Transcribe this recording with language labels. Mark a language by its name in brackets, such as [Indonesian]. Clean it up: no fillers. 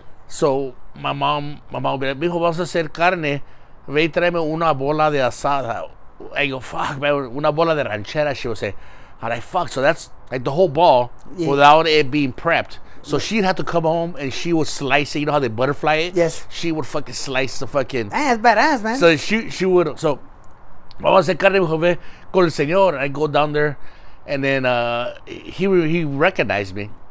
[English] So my mom would be like, [Spanish] mijo, vamos a hacer carne, ve y tráeme una bola de asada. [English] I go, fuck, man, [Spanish] una bola de ranchera. [English] She would say, I'm like, fuck. So that's like the whole ball, yeah. Without it being prepped. So she'd have to come home and she would slice it. You know how they butterfly it? Yes. She would fucking slice the fucking. Man, that's badass, man. So she would. [Spanish] So, vamos a hacer carne, mijo, ve con el señor. [English] And I go down there and then he recognized me.